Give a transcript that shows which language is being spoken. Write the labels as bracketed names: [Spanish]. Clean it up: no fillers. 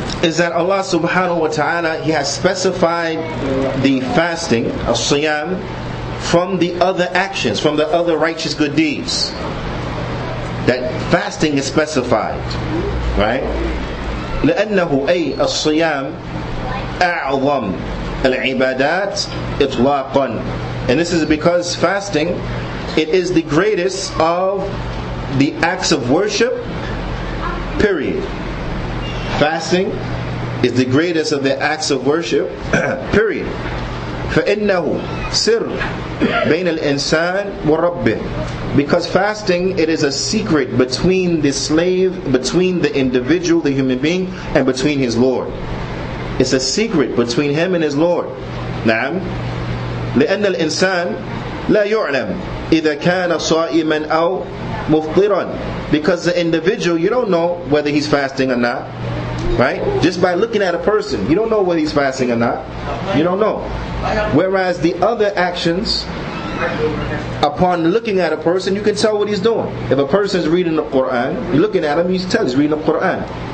[English] Is that Allah [Arabic] subhanahu wa ta'ala, [English] He has specified the fasting, as-siyam, from the other actions, from the other righteous good deeds. That fasting is specified, right? [Arabic] لأنه أي الصيام أعظم العبادات إطلاقا. [English] And this is because fasting, it is the greatest of the acts of worship, period. Fasting is the greatest of the acts of worship, period. [Arabic] فإنه سر بين الإنسان وربه. [English] Because fasting, it is a secret between the slave, between the individual, the human being, and between his Lord. It's a secret between him and his Lord. [Arabic] نعم. لأن الإنسان لا يعلم إذا كان صائما أو مفطرا. [English] Because the individual, you don't know whether he's fasting or not. Right? Just by looking at a person, you don't know whether he's fasting or not. You don't know. Whereas the other actions, upon looking at a person, you can tell what he's doing. If a person is reading the Quran, you're looking at him, you can tell he's reading the Quran.